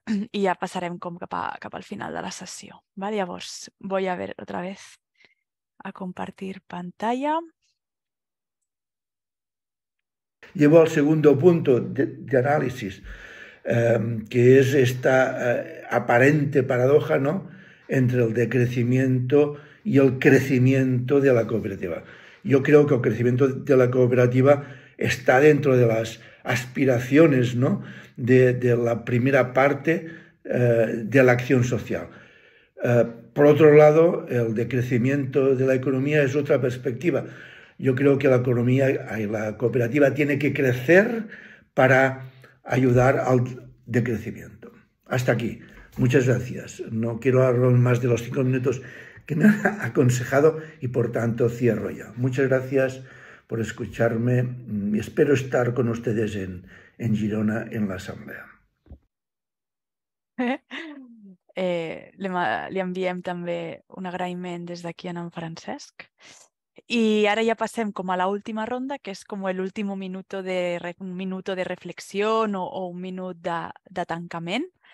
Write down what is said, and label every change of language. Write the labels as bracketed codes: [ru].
[ca] I ja passarem com cap al final de la sessió. [es] Vale? [ca] Llavors, [es] voy a ver otra vez a compartir pantalla. Llevo al segundo punto de análisis, que es esta aparente paradoja, ¿no?, entre el decrecimiento y el crecimiento de la cooperativa. Yo creo que el crecimiento de la cooperativa está dentro de las aspiraciones, ¿no?, de la primera parte de la acción social. Por otro lado, el decrecimiento de la economía es otra perspectiva. Yo creo que la economía y la cooperativa tiene que crecer para ayudar al decrecimiento. Hasta aquí. Muchas gracias. No quiero hablar más de los 5 minutos que me ha aconsejado y por tanto cierro ya. Muchas gracias por escucharme y espero estar con ustedes en Girona en la asamblea. [ca] Li enviem també un agraïment des d'aquí a en Francesc. I ara ja passem com a l'última ronda, que és com l'últim minut de reflexió o un minut de tancament.